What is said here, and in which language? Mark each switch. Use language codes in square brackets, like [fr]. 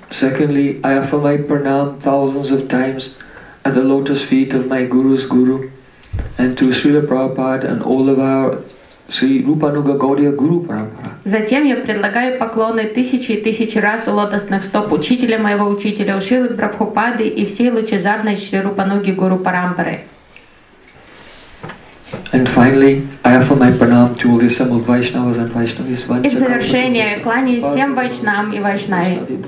[en] Secondly, I offer my pranam thousands of times at the lotus feet of my Guru's Guru and to Srila Prabhupada and all of our Sri Rupanuga Gaudiya Guru Parampara. [ru] Затем я предлагаю поклоны тысячи и тысячи раз у лотосных стоп учителя моего учителя Шрилы Прабхупады и всей лучезарной Шри Рупануги Гуру Парампары. [en] And finally, I offer my pranam to all the assembled Vaishnavas and Vaishnavis. [ru] И в завершение я кланяюсь всем Вайшнам и Вайшнаве.